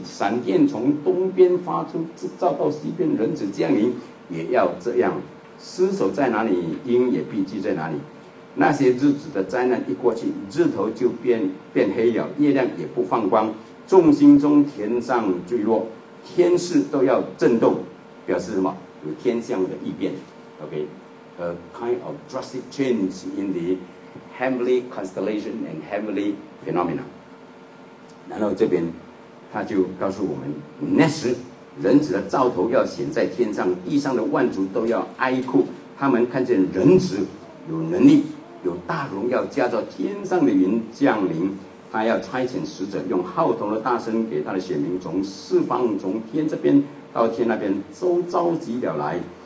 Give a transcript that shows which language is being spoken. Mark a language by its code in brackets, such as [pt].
[zh] 闪电从东边发出，照到西边，人子降临也要这样。尸首在哪里，鹰也必居在哪里。那些日子的灾难一过去，日头就变黑了，月亮也不放光，众星中天上坠落，天势都要震动，表示什么？有天象的异变。OK。” [en] A kind of drastic change in the heavenly constellation and heavenly phenomena. [zh] 然后这边他就告诉我们，那时人子的兆头要显在天上，地上的万族都要哀哭，他们看见人子有能力，有大荣耀，驾着天上的云降临。他要差遣使者，用号筒的大声给他的选民，从四方，从天这边到天那边，都召集了来。